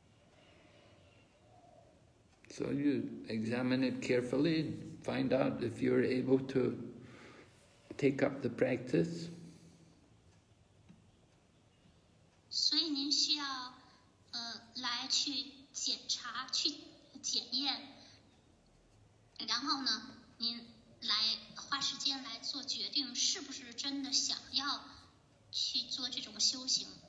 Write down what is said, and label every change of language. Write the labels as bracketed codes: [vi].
[zh] 我们并不是说让人们立刻就做出承诺，就发誓。我们会给人们时间，让他们自己来去做调查。So [en] you examine it carefully, find out if you're able to take up the practice. [zh] 所以您需要来去检查、去检验，然后呢，您来花时间来做决定，是不是真的想要去做这种修行